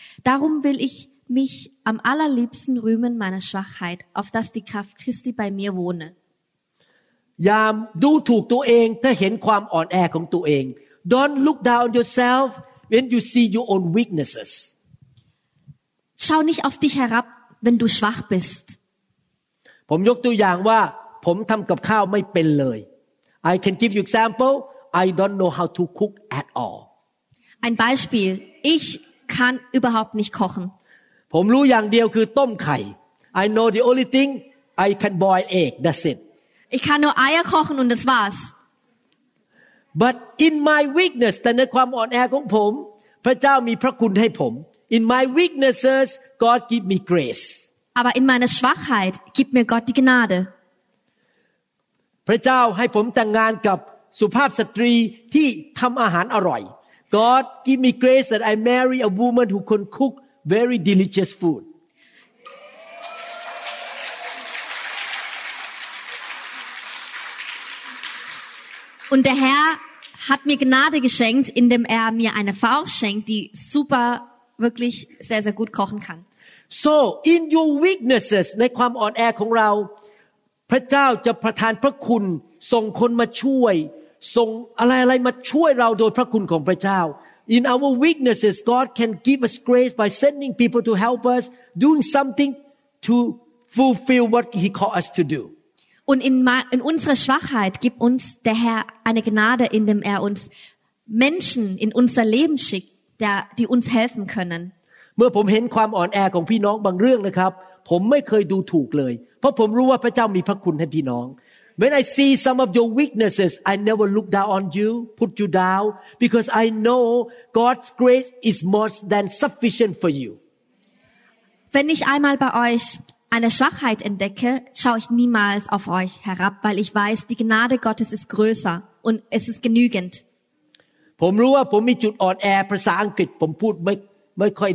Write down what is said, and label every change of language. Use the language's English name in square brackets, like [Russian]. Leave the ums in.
[German] Darum will ich mich am allerliebsten rühmen meiner Schwachheit, auf dass die Kraft Christi bei mir wohne. [English] Ja, du tuk, du eng, hinquam, komm, Don't look down yourself when you see your own weaknesses. [German] Schau nicht auf dich herab, wenn du schwach bist. [Thai] ผมยกตัวอย่างว่า ผมทำกับข้าวไม่เป็นเลย [English] I can give you example I don't know how to cook at all [German] Ein Beispiel ich kann überhaupt nicht kochen [Thai] ผมรู้อย่างเดียวคือต้มไข่ [English] I know the only thing I can boil egg that's it [German] Ich kann nur Eier kochen und das war's [English] But in my weakness [Thai] แต่ในความอ่อนแอของผม พระเจ้ามีพระคุณให้ผม [English] In my weaknesses God give me grace [German] Aber in meiner Schwachheit gibt mir Gott die Gnade. [English] God, give me grace that I marry a woman who can cook very delicious food. [German] Und der Herr hat mir Gnade geschenkt, indem er mir eine Frau schenkt, die super, wirklich sehr, sehr gut kochen kann. [English] so in your weaknesses [Thai] ในความอ่อนแอของเรา พระเจ้าจะประทานพระคุณ ส่งคนมาช่วยส่งอะไรอะไรมาช่วยเราโดยพระคุณของพระเจ้า [English] in our weaknesses God can give us grace by sending people to help us doing something to fulfill what He called us to do [German] und in in unserer Schwachheit gibt uns der Herr eine Gnade indem er uns Menschen in unser Leben schickt der, die uns helfen können [Thai] เมื่อผมเห็นความอ่อนแอของพี่น้องบางเรื่องนะครับผมไม่เคยดูถูกเลย เพราะผมรู้ว่าพระเจ้ามีพระคุณให้พี่น้อง [English] When I see some of your weaknesses I never look down on you put you down because I know God's grace is more than sufficient for you [German] Wenn ich einmal bei euch eine Schwachheit entdecke schaue ich niemals auf euch herab weil ich weiß die Gnade Gottes ist größer und es ist genügend [Thai] ผมรู้ว่าผมมีจุดอ่อนแอภาษาอังกฤษผมพูดไม่